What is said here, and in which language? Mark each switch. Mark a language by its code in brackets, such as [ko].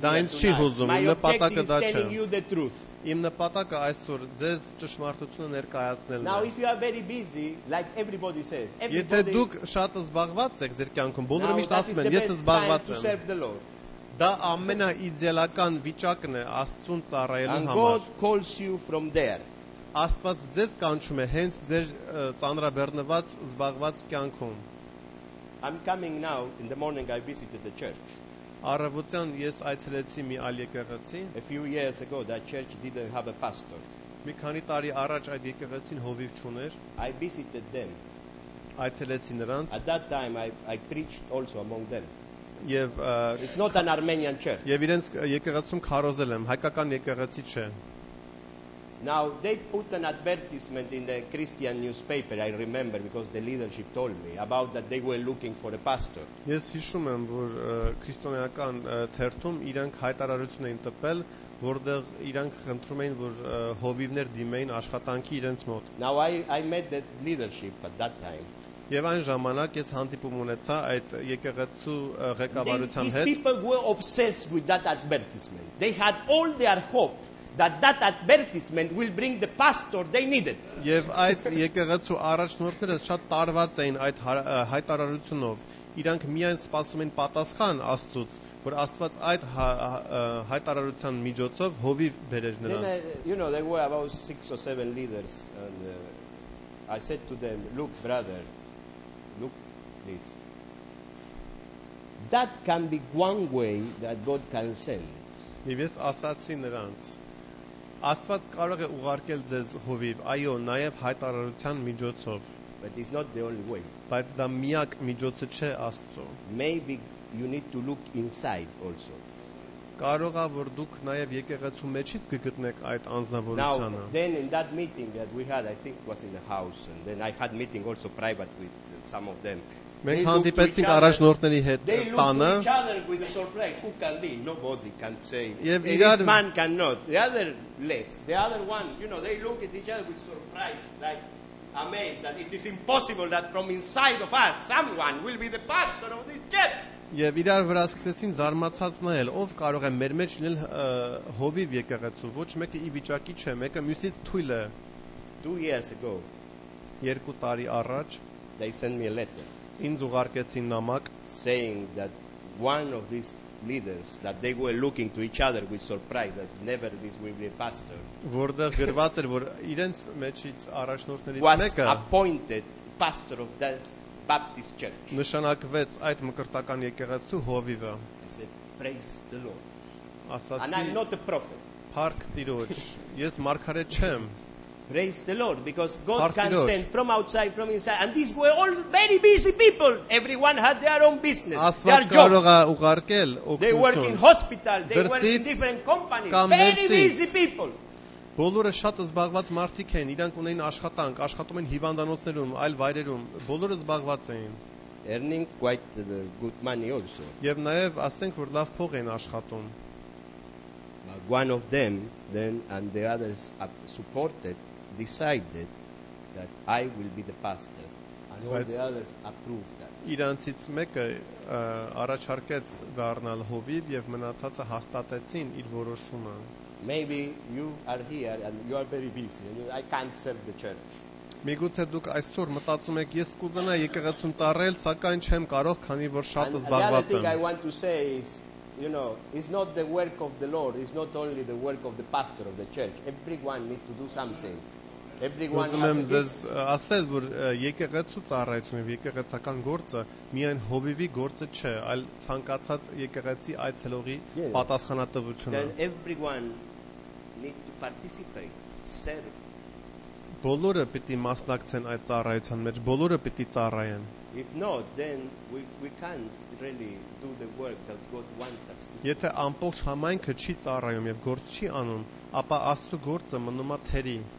[hy] Դա ինձ չի հուզում, իմ նպատակը դա չէ. [en] I'm telling you the truth. [hy] Իմ նպատակը այսօր ձեզ ճշմարտությունը ներկայացնելն է. [en] Now if you are very busy, like everybody says, everybody. [hy] Եթե դուք շատ զբաղված եք ձեր կյանքում, բոլորը միշտ ասում են, ես զբաղված եմ. Դա ամենաիդեալական վիճակն է Աստծուն ծառայելու համար. [en] God calls you from there. [hy] Աստված ձեզ կանչում է հենց ձեր ծանրաբեռնված զբաղված կյանքում. [en] I'm coming now. In the morning, I visited the church. [hy] Առավոտյան ես այցելեցի մի այլ եկեղեցի. [en] A few years ago, that church didn't have a pastor. [hy] Մի քանի տարի առաջ այդ եկեղեցին հովիվ չուներ. [en] I visited them. [hy] Այցելեցի նրանց. [en] At that time, I preached also among them. [hy] Եվ [en] it's not an Armenian church. [hy] Եվ իրենց եկեղեցում քարոզել եմ, հայկական եկեղեցի չէ. [en] Now they put an advertisement in the Christian newspaper, I remember, because the leadership told me about that they were looking for a pastor. [hy] Ես հիշում եմ, որ քրիստոնեական թերթում իրենք հայտարարություն էին տպել, որտեղ իրենք խնդրում էին, որ հովիվներ դիմեին աշխատանքի իրենց մոտ. [en] Now I met the leadership at that time. [hy] Եվ այն ժամանակ ես հանդիպում ունեցա այդ եկեղեցու ղեկավարության հետ. [en] These people were obsessed with that advertisement. They had all their hope that advertisement will bring the pastor they needed. [hy] Եվ այդ եկեղեցու առաջնորդները շատ տարված էին այդ հայտարարությունով։ Իրանք միայն սպասում են պատասխան Աստծուց, որ Աստված այդ հայտարարության միջոցով հովիվ բերեր նրանց։ [en] You know, there were about 6 or 7 leaders, and I said to them, look, brother, look this. That can be one way that God can send. [hy] Եվ ես ասացի նրանց, Աստված կարող է ուղարկել ձեզ հովիվ, այո, նաև հայտարարության միջոցով։ [en] But it's not the only way. [hy] Բայց դա միակ միջոցը չէ Աստծո։ [en] Maybe you need to look inside also. [hy] Կարող է, որ դուք նաև եկեղեցու մեջից կգտնեք այդ անձնավորությանը։ [en] Now, then in that meeting that we had, I think it was in the house, and then I had meeting also private with some of them. [hy] Մենք հանդիպեցինք առաջնորդների հետ տանը։ [en] Who can be? Nobody can say. This man cannot. The other less. The other one, you know, they look at each other with surprise, like amazed that it is impossible that from inside of us someone will be the pastor of this church. [hy] Եվ իրար վրա սկսեցին զարմացած նայել, ով կարող է մեր մեջ լինել հովիվ եկեղեցու, ոչ մեկը ի վիճակի չէ, մեկը մյուսից թույլ է։ [en] 2 years ago. [hy] 2 տարի առաջ. [en] They sent me a letter. [hy] Ինձ ուղարկեցին նամակ, [en] saying that one of these leaders that they were looking to each other with surprise that never this will be a pastor. [hy] Որտեղ գրված էր, որ իրենց մեջից առաջնորդներից մեկը [en] was appointed pastor of this Baptist Church. [hy] Նշանակվեց այդ մկրտական եկեղեցու հովիվը. [en] I said, praise the Lord. [hy] Ասացի, [en] and I'm not a prophet. [hy] Փառք Տիրոջ, ես մարգարե չեմ. [en] Praise the Lord, because God can send from outside, from inside. And these were all very busy people. Everyone had their own business, their job. They worked in hospital, they worked in different companies. Very busy people. [hy] Բոլորը շատ զբաղված մարդիկ են, իրանք ունեին աշխատանք, աշխատում են հիվանդանոցներում, այլ վայրերում, բոլորը զբաղված էին։ [en] Earning quite the good money also. [hy] Եվ նաև ասենք, որ լավ փող են աշխատում։ [en] But one of them, then, and the others supported, decided that I will be the pastor, and all the others approved that. [hy] Իրանցից մեկը առաջարկեց դառնալ հովիվ, եւ մնացածը հաստատեցին իր որոշումը։ [en] Maybe you are here and you are very busy and I can't serve the church. [hy] Միգուցե դուք այսօր մտածում եք, ես կուզենա եկեղեցում տարել, սակայն չեմ կարող, քանի որ շատ զբաղված եմ. [en] I want to say is, you know, it's not the work of the Lord, it's not only the work of the pastor of the church. Everyone needs to do something. Everyone has to [hy] ասել, որ եկեղեցու ծառայությունը եւ եկեղեցական գործը միայն հովիվի գործը չէ, այլ ցանկացած եկեղեցի այցելողի պատասխանատվությունն է։ [en] Then everyone need to participate, serve. [hy] Բոլորը պիտի մասնակցեն այդ ծառայության մեջ, բոլորը պիտի ծառայեն։ [en] If not, then we can't really do the work that God wants us to do. [hy] Եթե ամբողջ համայնքը չի ծառայում եւ գործ չի անում, ապա Աստծո գործը մնում է թերի։